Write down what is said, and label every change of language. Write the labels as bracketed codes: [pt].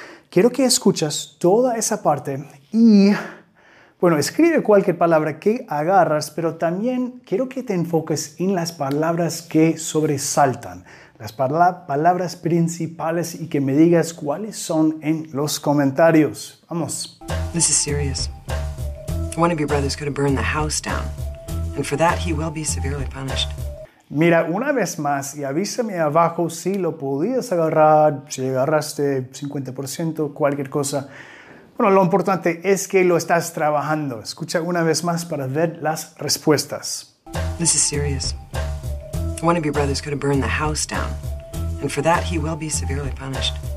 [es] Quiero que escuches toda esa parte y, bueno, escribe cualquier palabra que agarras, pero también quiero que te enfoques en las palabras que sobresaltan, las palabras principales y que me digas cuáles son en los comentarios. Vamos. [en] This is serious. One of your brothers could have burned the house down. And for that, he will be severely punished. [es] Mira, una vez más, y avísame abajo si lo podías agarrar, si agarraste 50%, cualquier cosa. Bueno, lo importante es que lo estás trabajando. Escucha una vez más para ver las respuestas. [en] This is serious. One of your brothers could have burned the house down. And for that, he will be severely punished.